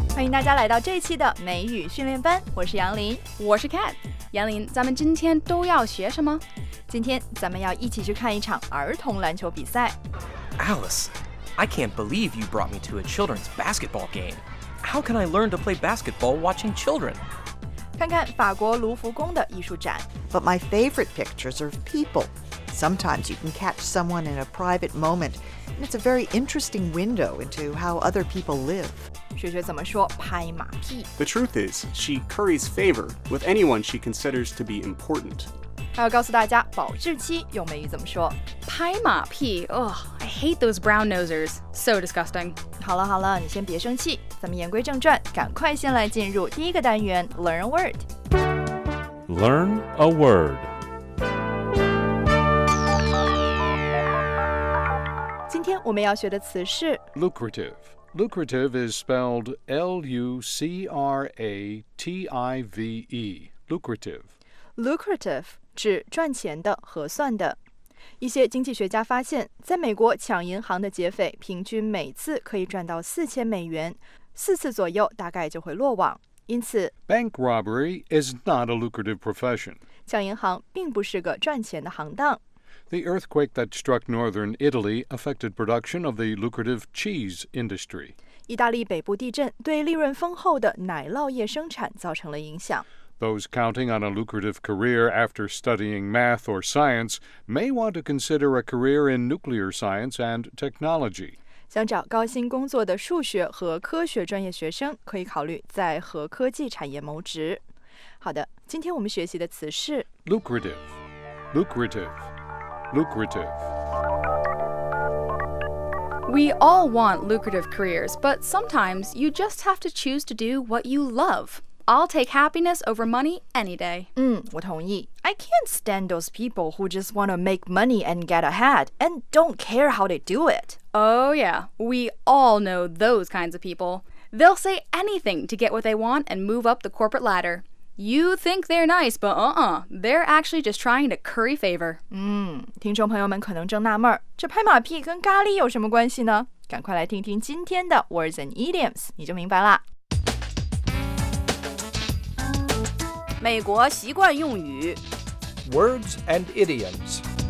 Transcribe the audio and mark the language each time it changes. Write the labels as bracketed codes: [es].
[zh] 大家来到这一期的美语训练班，我是杨林，我是 Cat。杨林，咱们今天都要学什么？今天咱们要一起去看一场儿童篮球比赛。 [en] Alice, I can't believe you brought me to a children's basketball game. How can I learn to play basketball watching children? [zh] 看看法国卢浮宫的艺术展。 [en] But my favorite pictures are of people. Sometimes you can catch someone in a private moment, and it's a very interesting window into how other people live. [zh] 学学怎么说拍马屁。 [en] The truth is, she curries favor with anyone she considers to be important. [zh] 还要告诉大家保质期用美语怎么说。拍马屁， [en] ugh, I hate those brown nosers, so disgusting. [zh] 好了好了，你先别生气，咱们言归正传，赶快先来进入第一个单元 [en] Learn a Word. Learn a Word. [zh] 今天我们要学的词是 [en] Lucrative. Lucrative is spelled L-U-C-R-A-T-I-V-E, lucrative. [zh] Lucrative 指赚钱的、合算的。一些经济学家发现，在美国抢银行的劫匪平均每次可以赚到$4,000，四次左右大概就会落网。因此 [en] ，Bank robbery is not a lucrative profession. [zh] 抢银行并不是个赚钱的行当。 [en] The earthquake that struck northern Italy affected production of the lucrative cheese industry. [zh] 意大利北部地震对利润丰厚的奶酪业生产造成了影响。 [en] Those counting on a lucrative career after studying math or science may want to consider a career in nuclear science and technology. [zh] 想找高薪工作的数学和科学专业学生可以考虑在核科技产业谋职。好的，今天我们学习的词是 [en] lucrative, lucrative. Lucrative. We all want lucrative careers, but sometimes you just have to choose to do what you love. I'll take happiness over money any day. [zh] 我同意。 [en] I can't stand those people who just want to make money and get ahead and don't care how they do it. Oh yeah, we all know those kinds of people. They'll say anything to get what they want and move up the corporate ladder. You think they're nice, but they're actually just trying to curry favor. [zh] 听众朋友们可能正纳闷，这拍马屁跟咖喱有什么关系呢？赶快来听听今天的 [en] Words and Idioms, [zh] 你就明白了。美国习惯用语 [en] Words and Idioms。